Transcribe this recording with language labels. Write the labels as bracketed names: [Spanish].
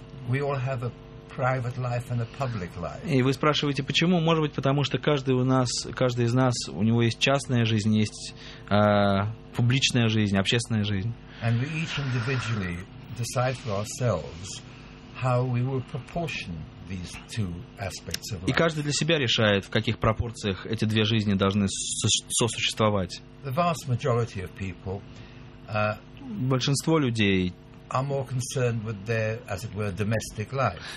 [Russian] И вы спрашиваете, почему? Может быть, потому что каждый из нас, у него есть частная жизнь, есть публичная жизнь, общественная жизнь. [English] And we each individually decide for ourselves how we will proportion these two aspects of life. [Russian] И каждый для себя решает, в каких пропорциях эти две жизни должны сосуществовать. [English] The vast majority of people, [Russian] большинство людей [English] are more concerned with their, as it were, domestic life.